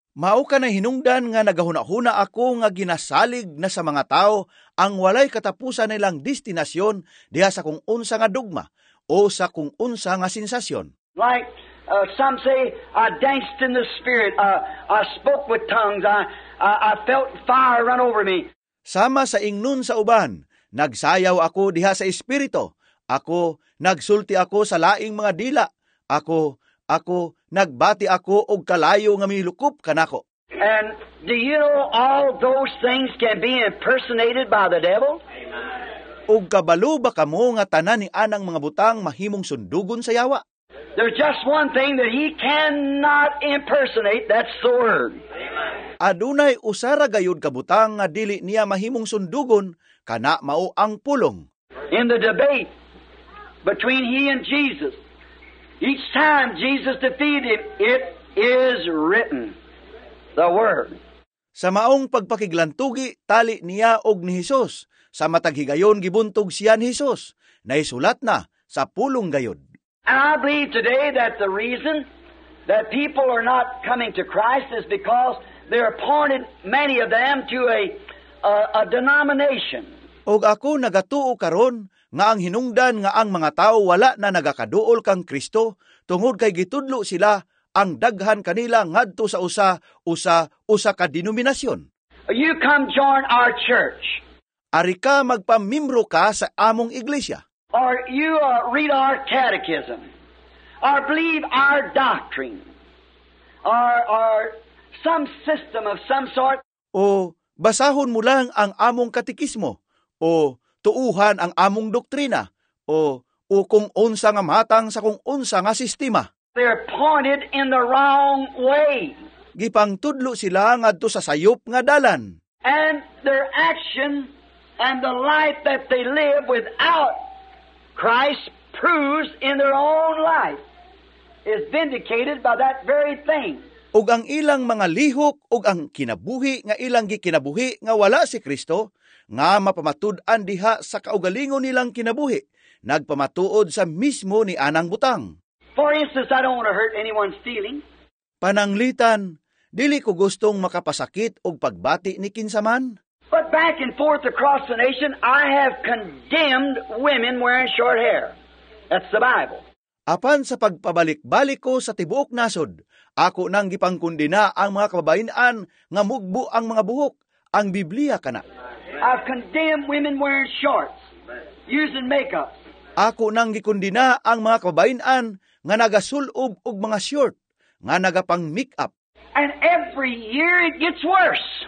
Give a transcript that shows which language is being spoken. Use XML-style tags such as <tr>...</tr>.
<ceb>Mao ka na hinungdan nga nagahuna-huna ako nga ginasalig na sa mga tao ang walay katapusan nilang destinasyon diha sa kung unsa nga dogma o sa kung unsa nga sensasyon.</ceb> <en>Like some say, I danced in the spirit, I spoke with tongues, I felt fire run over me.</en> <ceb>Sama sa ingnun sa uban, nagsayaw ako diha sa espiritu, ako nagsulti ako sa laing mga dila, ako nagbati ako og kalayo nga milukop kanako.</ceb> <en>And do you know all those things can be impersonated by the devil?</en> <ceb>Og kabalo ba kamo nga tanan ni anang mga butang mahimong sundugon sa yawa?</ceb> <en>There's just one thing that he cannot impersonate, that's the Word.</en> <ceb>Adunay usara gayud kabutang nga dili niya mahimong sundugon kana mao ang pulong.</ceb> <en>In the debate between he and Jesus, each time Jesus defeated him, it is written, the Word.</en> <ceb>Sa maong pagpakiglantugi, tali niya og ni Jesus. Sa matag higayon, gibuntog siya ni Jesus. Naisulat na sa pulong gayod.</ceb> <en>And I believe today that the reason that people are not coming to Christ is because they're appointed, many of them, to a denomination.</en> <ceb>Og ako nagatuo karon nga ang hinungdan nga ang mga tao wala na nagakaduol kang Kristo tungod kay gitudlo sila ang daghan kanila ngadto sa usa ka denominasyon.</ceb> <en>You come join our church.</en> <ceb>Ari ka magpamimbro ka sa among iglesia.</ceb> <en>Or you read our catechism. Or believe our doctrine. Or some system of some sort.</en> <ceb>O basahon mo lang ang among katekismo. O tuuhan ang among doktrina o kung unsa nga matang sa kung unsa nga sistema.</ceb> <en>They're pointed in the wrong way.</en> <ceb>Gipangtudlo sila ngadto sa sayop nga dalan.</ceb> <en>And their action and the life that they live without Christ proves in their own life is vindicated by that very thing.</en> <ceb>Ug ang ilang mga lihok ug ang kinabuhi nga ilang gikinabuhi nga wala si Kristo nga mapamatud-an diha sa kaugalingon nilang kinabuhi nagpamatuod sa mismo ni Anang Butang.</ceb> <en>For instance, I don't want to hurt anyone's feeling.</en> <ceb>Pananglitan, dili ko gustong makapasakit ug pagbati ni kinsaman.</ceb> <en>But back and forth across the nation, I have condemned women wearing short hair. That's the Bible.</en> <ceb>Apan sa pagpabalik-balik ko sa tibuok nasod, ako nang gipangkundina ang mga kababayenan nga mugbo ang mga buhok. Ang Biblia kana.</ceb> <en>I've condemned women wearing shorts, using makeup.</en> <ceb>Ako nang gikundina ang mga kababayenan nga nagasulob og mga short, nga nagapang makeup.</ceb> <en>And every year it gets worse.</en>